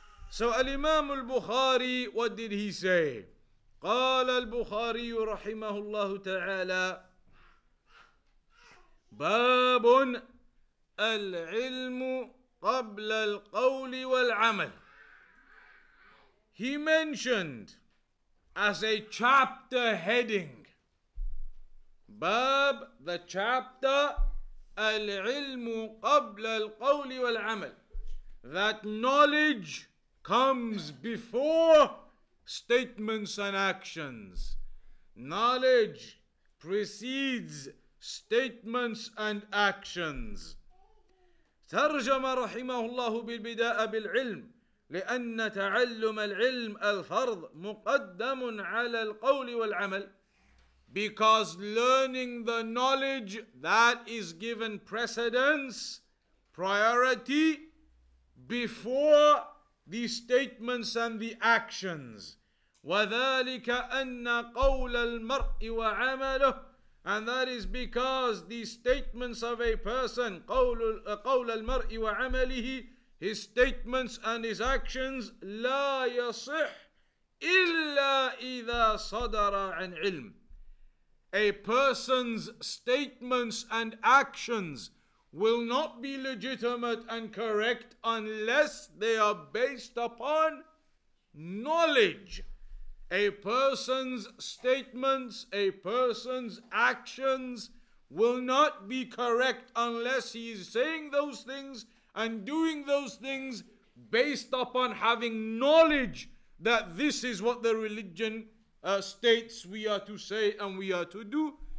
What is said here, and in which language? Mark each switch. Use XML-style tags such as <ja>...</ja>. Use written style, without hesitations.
<en>So Al-Imam Al-Bukhari, what did he say?</en> <ar>قال البخاري رحمه الله تعالى باب العلم قبل القول والعمل.</ar> <en>He mentioned as a chapter heading,</en> <ar>باب,</ar> <en>the chapter,</en> <ar>العلم قبل القول والعمل,</ar> <en>that knowledge comes before statements and actions. Knowledge precedes statements and actions.</en> <ar>ترجم رحمه الله بالبداء بالعلم لأن تعلم العلم الفرض مقدم على القول والعمل.</ar> <en>Because learning the knowledge, that is given precedence, priority, before the statements and the actions.</en> <ar>وذلك أن قول المرء وعمله,</ar> <en>and that is because the statements of a person,</en> <ar>قول المرء وعمله,</ar> <en>his statements and his actions,</en> <ar>لا يصح إلا إذا صدر عن علم.</ar> <en>A person's statements and actions will not be legitimate and correct unless they are based upon knowledge. A person's statements, a person's actions will not be correct unless he is saying those things and doing those things based upon having knowledge that this is what the religion states we are to say and we are to do.</en>